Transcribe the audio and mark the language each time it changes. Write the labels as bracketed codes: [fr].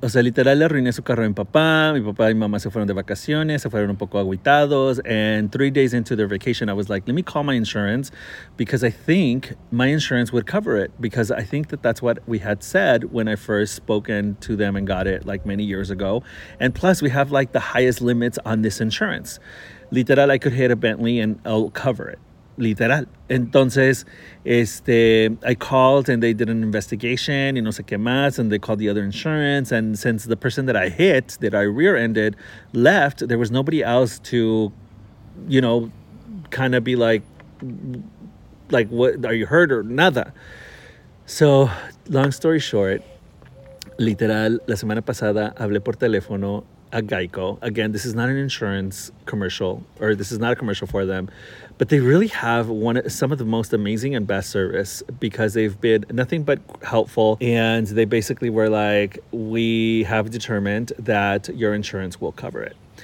[es] O sea, literal, le arruiné su carro a mi papá y mi mamá se fueron de vacaciones, se fueron un poco agüitados. [en] And 3 days into their vacation, I was like, let me call my insurance because I think my insurance would cover it. Because I think that that's what we had said when I first spoken to them and got it like many years ago. And plus we have like the highest limits on this insurance. Literal, I could hit a Bentley and I'll cover it. Literal. [es] Entonces, [en] I called and they did an investigation [es] y no sé qué más, [en] and they called the other insurance, and since the person that I hit, that I rear-ended, left, there was nobody else to, you know, kind of be like, what, are you hurt or [es] nada? [en] So, long story short, [es] literal, la semana pasada hablé por teléfono a Geico. [en] Again, this is not an insurance commercial, or this is not a commercial for them, but they really have some of the most amazing and best service because they've been nothing but helpful. And they basically were like, we have determined that your insurance will cover it.